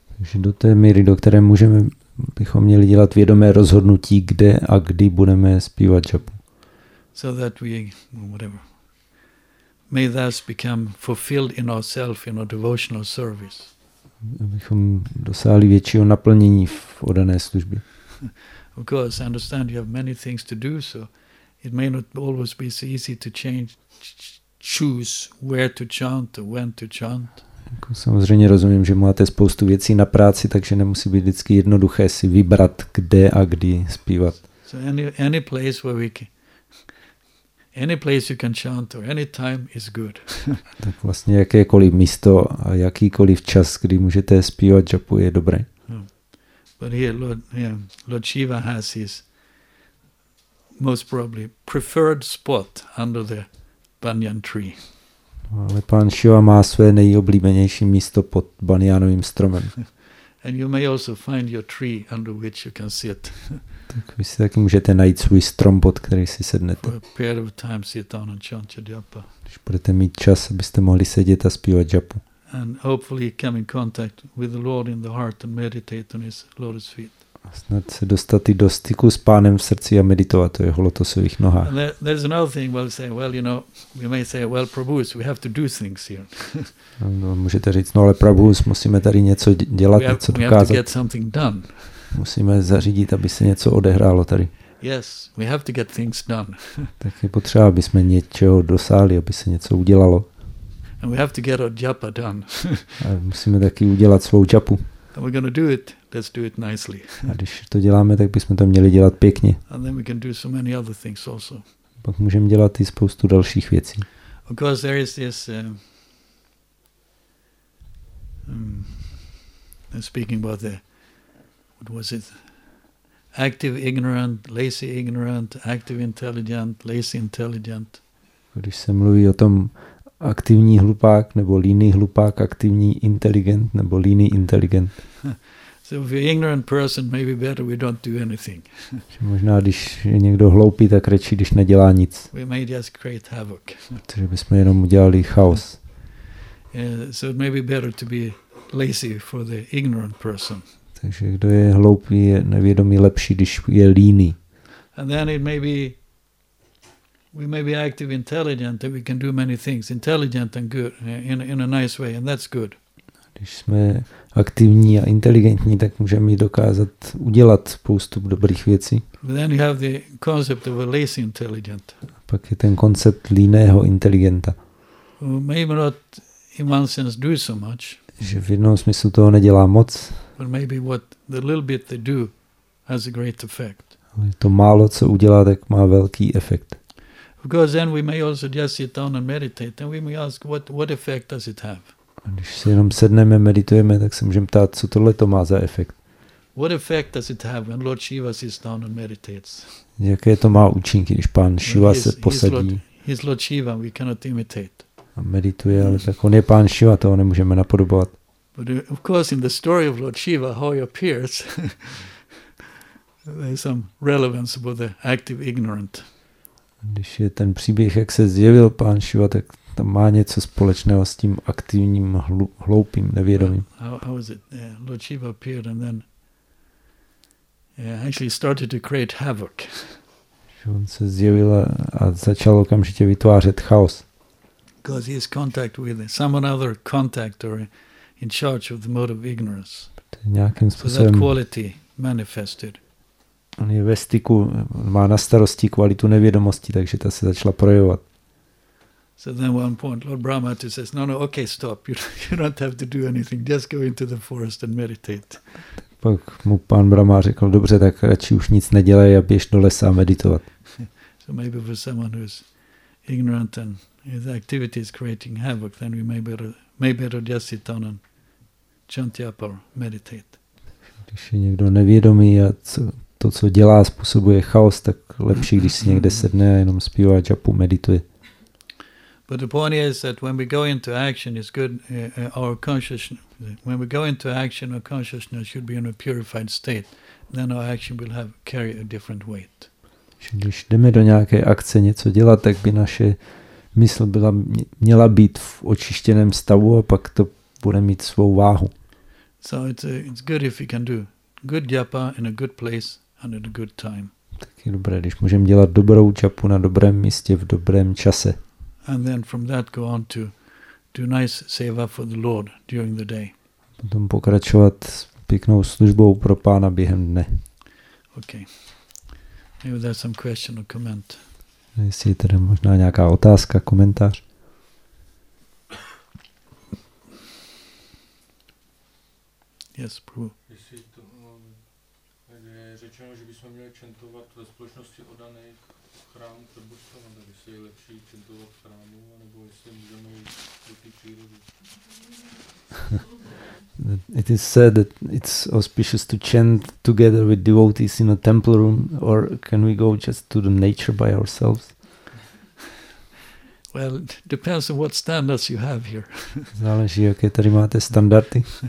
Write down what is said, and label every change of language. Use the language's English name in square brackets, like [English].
[Czech] Takže do té míry, do které můžeme, bychom měli dělat vědomé rozhodnutí, kde a kdy budeme zpívat japu. [English] So that we whatever may thus become fulfilled in ourselves in our devotional service. [Czech] Abychom dosáhli většího naplnění v oddané službě. [English] Of course, I understand you have many things to do, so it may not always be so easy to choose where to chant or when to chant. [Czech] Samozřejmě rozumím, že máte spoustu věcí na práci, takže nemusí být vždycky jednoduché si vybrat, kde a kdy zpívat. [English] So any place where we can, any place you can chant or any time is good. [Czech] Tak vlastně jakékoliv místo a jakýkoliv čas, kdy můžete zpívat japu, je dobré. [English] But here Lord Shiva has his most probably preferred spot under the banyan tree. [Czech] Ale pan Shiva má své nejoblíbenější místo pod banyánovým stromem. [English] And you may also find your tree under which you can sit. [Czech] Tak vy si taky můžete najít svůj strom, pod který si sednete. [English] For a period of time sit down and chant your japa. [Czech] Když budete mít čas, abyste mohli sedět a zpívat japu. [English] And hopefully come in contact with the Lord in the heart and meditate on his lotus feet. [Czech] A snad se dostat i do styku s pánem v srdci a meditovat o jeho lotosových nohách. [English] And there's another thing, we'll say, well, you know, we may say, well, Prabhu, we have to do things here. [Czech] No, můžete říct, no ale Prabhu, musíme tady něco dělat, [English] we [Czech] něco dokázat. [English] Have to get something done. [Czech] Musíme zařídit, aby se něco odehrálo tady. [English] Yes, we have to get things done. [Czech] Tak je potřeba, aby jsme něčeho dosáhli, aby se něco udělalo. [English] And we have to get our japa done. [Czech] A musíme taky udělat svou japu. [English] And we're going to do it. Let's do it nicely. [Czech] A když to děláme, tak bychom to měli dělat pěkně. [English] And then we can do so many other things also. [Czech] Pak můžeme dělat i spoustu dalších věcí. [English] Of course, there is this. I'm speaking about the. What was it? Active ignorant, lazy ignorant, active intelligent, lazy intelligent. [Czech] Když se mluví o tom aktivní hlupák nebo líný hlupák, aktivní inteligent nebo líný inteligent. [English] So if you're ignorant person, maybe better we don't do anything. [Czech] Možná když je někdo hloupý, tak radši, když nedělá nic. [English] We may just create havoc. [Czech] Takže bychom jenom udělali chaos. [English] So it may be better to be lazy for the ignorant person. [Czech] Takže kdo je hloupý, je nevědomý lepší, když je líný. [English] And then it may be we may be active intelligent and we can do many things, intelligent and good in a nice way, and that's good. [Czech] Když jsme aktivní a inteligentní, tak můžeme dokázat udělat spoustu dobrých věcí. [English] Then you have the concept of a lazy intelligent. [Czech] Pak je ten koncept líného inteligenta. [English] Who maybe not in one sense do so much. [Czech] Že v jednom smyslu toho nedělá moc. [English] But maybe what the little bit they do has a great effect. Ale to málo, co udělá, tak má velký efekt. Because then we may also just sit down and meditate, and we may ask, what effect does it have? [Czech] A když si jenom sedneme, meditujeme, tak se můžeme ptát, co tohle to má za efekt. [English] What effect does it have when Lord Shiva sits down and meditates? [Czech] Jaké to má účinky, když pán Shiva se posadí? [English] He's Lord Shiva, we cannot imitate. [Czech] A medituje, ale tak on je pán Shiva, toho nemůžeme napodobovat. [English] But of course in the story of Lord Shiva, how he appears, there's some relevance about the active ignorant. [Czech] Když je ten příběh, jak se zjevil pán Shiva, tak tam má něco společného s tím aktivním hloupým nevědomým. [English] How was it? Lord Shiva appeared and then actually started to create havoc. [Czech] On se zjevil a začal okamžitě vytvářet chaos. [English] Because he has contact with someone other contact or in charge of the mode of ignorance. [Czech] Nějakým způsobem. [English] So that quality manifested. [Czech] On je ve styku, má na starosti kvalitu nevědomosti, takže ta se začala projevovat. [English] So then one point Lord Brahma just says, no, okay, stop. You don't have to do anything. Just go into the forest and meditate. [Czech] Pak mu pán Brahma řekl, dobře, tak radši už nic nedělej a běž do lesa meditovat. [English] So maybe for someone who's ignorant and his activity is creating havoc, then we may better just sit down and chant japa or meditate. [Czech] Když je někdo nevědomý a to, co dělá, způsobuje chaos, tak lepší, když si někde sedne a jenom zpívá japu, medituje. [English] But the point is that when we go into action, it's good. Our consciousness, when we go into action, our consciousness should be in a purified state. Then our action will have carry a different weight. [Czech] Když jdeme do nějaké akce něco dělat, tak by naše mysl byla měla být v očištěném stavu a pak to bude mít svou váhu. [English] So it's good if we can do good japa in a good place and at a good time. [Czech] Tak je dobré, když můžeme dělat dobrou japu na dobrém místě v dobrém čase. [English] And then from that go on to do nice seva for the Lord during the day. [Czech] Potom pokračovat pěknou službou pro pána během dne. [English] Okay. Maybe there's some question or comment. [Czech] Jestli je tady možná nějaká otázka, komentář. [English] Yes, Prabhu. [Czech] Jestli to je řečeno, že bychom měli čentovat ve společnosti odaných chrámů, to bude stavat, aby se je lepší čintovat v chrámu, nebo jestli můžeme jít do té přírody. [English] It is said that it's auspicious to chant together with devotees in a temple room, or can we go just to the nature by ourselves? Well, it depends on what standards you have here. [Czech] Záleží, jaké tady máte standardy.